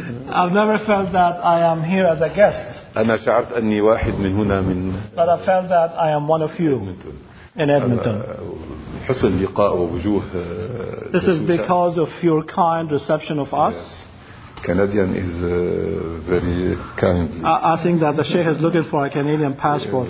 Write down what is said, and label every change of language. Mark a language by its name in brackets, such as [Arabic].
[English] I've never felt that I am here as a guest. [Arabic] أنا شعرت أني واحد من هنا من. [English] But I felt that I am one of you. In Edmonton. [Arabic] حسن لقاء ووجوه. [English] This is because of your kind reception of us. Yes. Canadian is very kind. I think that the Sheikh is looking for a Canadian passport.